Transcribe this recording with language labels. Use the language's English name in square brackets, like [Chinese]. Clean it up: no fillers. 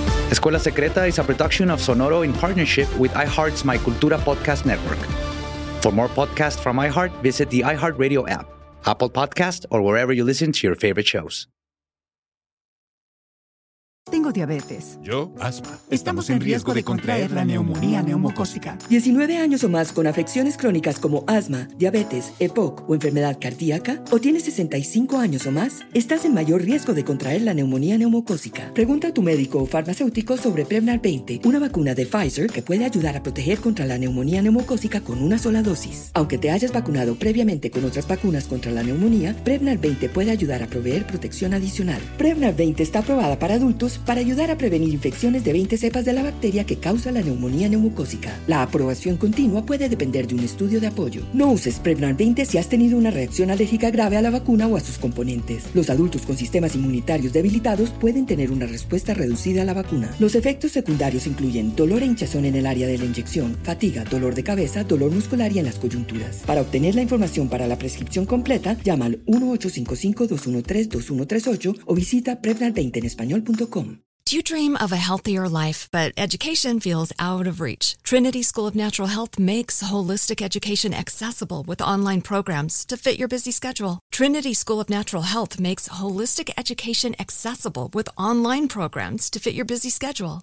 [English] Escuela Secreta is a production of Sonoro in partnership with iHeart's My Cultura Podcast Network. For more podcasts from iHeart, visit the iHeartRadio app, Apple Podcasts, or wherever you listen to your favorite shows. [Spanish] Tengo diabetes. Yo, asma. Estamos en riesgo de contraer la neumonía neumocócica. 19 años o más con afecciones crónicas como asma, diabetes, EPOC o enfermedad cardíaca, o tienes 65 años o más, estás en mayor riesgo de contraer la neumonía neumocócica. Pregunta a tu médico o farmacéutico sobre Prevnar 20, una vacuna de Pfizer que puede ayudar a proteger contra la neumonía neumocócica con una sola dosis. Aunque te hayas vacunado previamente con otras vacunas contra la neumonía, Prevnar 20 puede ayudar a proveer protección adicional. Prevnar 20 está aprobada para adultos para ayudar a prevenir infecciones de 20 cepas de la bacteria que causa la neumonía neumocócica. La aprobación continua puede depender de un estudio de apoyo. No uses Prevnar 20 si has tenido una reacción alérgica grave a la vacuna o a sus componentes. Los adultos con sistemas inmunitarios debilitados pueden tener una respuesta reducida a la vacuna. Los efectos secundarios incluyen dolor e hinchazón en el área de la inyección, fatiga, dolor de cabeza, dolor muscular y en las coyunturas. Para obtener la información para la prescripción completa, llama al 1-855-213-2138 o visita Prevnar20enespañol.com. [English] Do you dream of a healthier life, but education feels out of reach? Trinity School of Natural Health makes holistic education accessible with online programs to fit your busy schedule. Trinity School of Natural Health makes holistic education accessible with online programs to fit your busy schedule.